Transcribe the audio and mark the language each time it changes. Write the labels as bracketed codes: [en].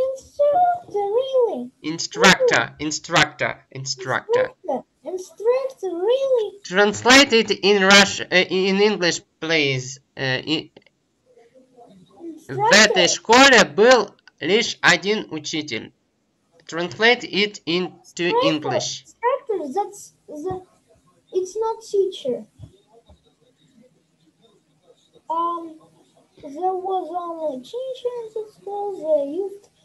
[ru] Инструктор, [en] really? [ru] Инструктор. Инструктор, [en] really? Translate it in Russian, in English, please. [ru] В этой школе был лишь один учитель. [en] Translate it into English. Instructor, it's not teacher. There was only teacher in the school.